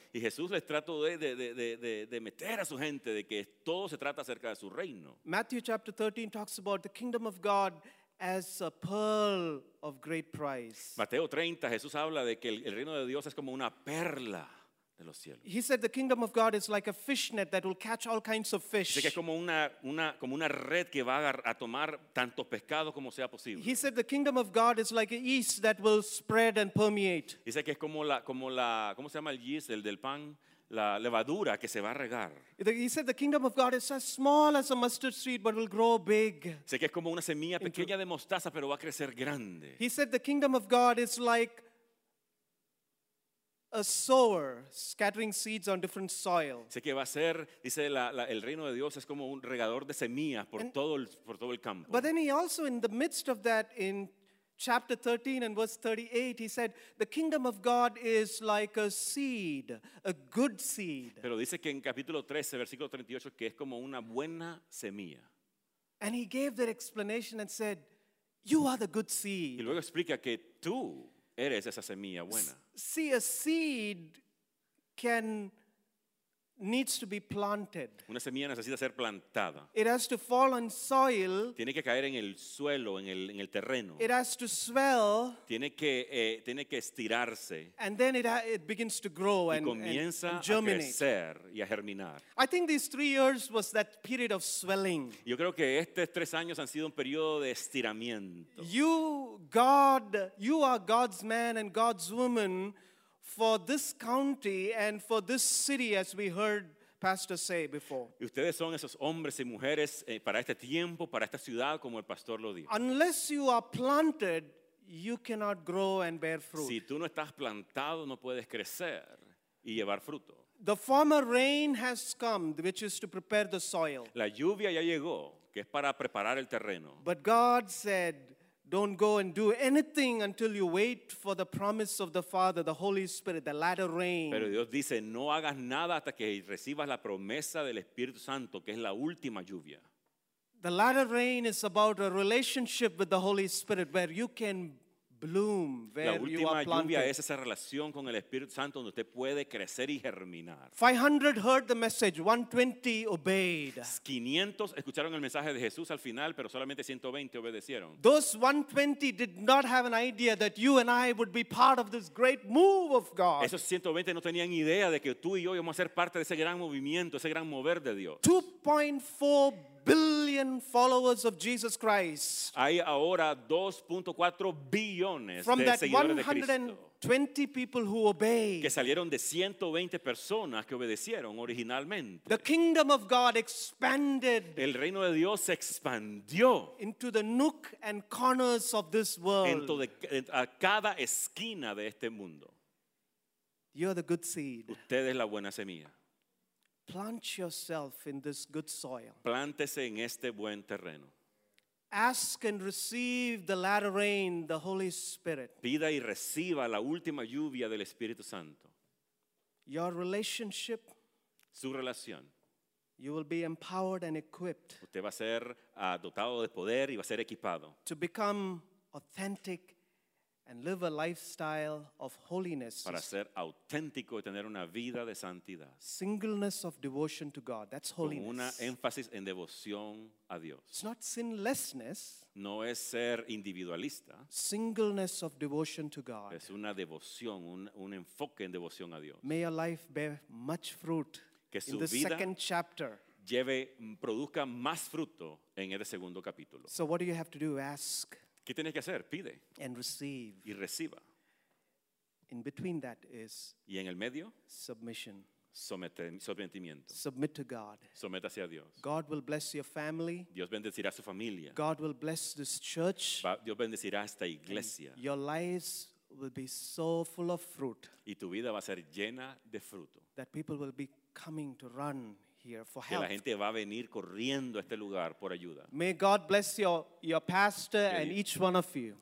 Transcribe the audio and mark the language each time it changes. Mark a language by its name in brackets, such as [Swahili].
[Spanish] Y Jesús les trató de meter a su gente de que todo se trata acerca de su reino. [English] Matthew chapter 13 talks about the kingdom of God as a pearl of great price. [Spanish] Mateo 30, Jesús habla de que el reino de Dios es como una perla de los cielos. [English] He said the kingdom of God is like a fishnet that will catch all kinds of fish. [Spanish] Dice que es como una red que va a tomar tanto pescado como sea posible. [English] He said the kingdom of God is like a yeast that will spread and permeate. [Spanish] Dice que es como la ¿cómo se llama el yeast, el del pan? La levadura que se va a regar. [English] He said the kingdom of God is as small as a mustard seed, but will grow big. [Spanish] Sé que es como una semilla pequeña de mostaza, pero va a crecer grande. [English] He said the kingdom of God is like a sower scattering seeds on different soil. [Spanish] Sé que va a ser, dice el reino de Dios es como un regador de semillas por todo el campo. [English] But then he also in the midst of that in chapter 13 and verse 38 he said the kingdom of God is like a seed, a good seed. [Spanish] Pero dice que en capítulo 13 versículo 38 que es como una buena semilla. [English] And he gave that explanation and said you are the good seed. [Spanish] Y luego explica que tú eres esa semilla buena. [English] See, a seed needs to be planted. [Spanish] Una semilla necesita ser plantada. [English] It has to fall on soil. [Spanish] Tiene que caer en el suelo, en el terreno. [English] It has to swell. [Spanish] Tiene que estirarse. [English] And then it begins to grow [Spanish] y comienza [English] and germinate. [Spanish] A crecer y a germinar. [English] I think these 3 years was that period of swelling. [Spanish] Yo creo que estos 3 años han sido un periodo de estiramiento. [English] You are God's man and God's woman. For this county and for this city, as we heard Pastor say before. [Spanish] Ustedes son esos hombres y mujeres para este tiempo, para esta ciudad, como el pastor lo dijo. [English] Unless you are planted, you cannot grow and bear fruit. [Spanish] Si tú no estás plantado, no puedes crecer y llevar fruto. [English] The former rain has come, which is to prepare the soil. [Spanish] La lluvia ya llegó, que es para preparar el terreno. [English] But God said, don't go and do anything until you wait for the promise of the Father, the Holy Spirit, the latter rain. [Spanish] Pero Dios dice, no hagas nada hasta que recibas la promesa del Espíritu Santo, que es la última lluvia. [English] The latter rain is about a relationship with the Holy Spirit where you can bloom, where you are planted. [Spanish] La última lluvia es esa relación con el Espíritu Santo donde usted puede crecer y germinar. [English] 500 heard the message, 120 obeyed. [Spanish] 500 escucharon el mensaje de Jesús al final, pero solamente 120 obedecieron. [English] Those 120 did not have an idea that you and I would be part of this great move of God. [Spanish] Esos 120 no tenían idea de que tú y yo íbamos a ser parte de ese gran movimiento, ese gran mover de Dios. [English] 2.4 billion followers of Jesus Christ. [Spanish] Hay ahora 2.4 billones [English] from [Spanish] de seguidores de Cristo. [English] From that 120 people who obeyed. [Spanish] Que salieron de 120 personas que obedecieron originalmente. [English] The kingdom of God expanded. [Spanish] El reino de Dios se expandió. [English] Into the nook and corners of this world. [Spanish] A cada esquina de este mundo. [English] You are the good seed. [Spanish] Usted es la buena semilla. [English] Plant yourself in this good soil. [Spanish] Plántese en este buen terreno. [English] Ask and receive the latter rain, the Holy Spirit. [Spanish] Pida y reciba la última lluvia del Espíritu Santo. [English] Your relationship. [Spanish] Su relación. [English] You will be empowered and equipped. [Spanish] Usted va a ser dotado de poder y va a ser equipado. [English] To become authentic and live a lifestyle of holiness. [Spanish] Para ser auténtico y tener una vida de santidad. [English] Singleness of devotion to God. That's holiness. [Spanish] Con una énfasis en devoción a Dios. [English] It's not sinlessness. [Spanish] No es ser individualista. [English] Singleness of devotion to God. [Spanish] Es una devoción, un enfoque en devoción a Dios. [English] May your life bear much fruit in the second chapter. [Spanish] Lleve, produzca más fruto en el segundo capítulo. [English] So what do you have to do? Ask. [Spanish] ¿Qué tienes que hacer? Pide. [English] And receive. [Spanish] Y reciba. [English] In between that is [Spanish] y en el medio, [English] submission. [Spanish] Sometimiento. [English] Submit to God. [Spanish] Sométase a Dios. [English] God will bless your family. [Spanish] Dios bendecirá su familia. [English] God will bless this church. [Spanish] Dios bendecirá esta iglesia. [English] And your lives will be so full of fruit. [Spanish] Y tu vida va a ser llena de fruto. [English] That people will be coming to run. [Spanish] Que la gente va a venir corriendo a este lugar por ayuda. [English] May God bless your pastor and each one of you.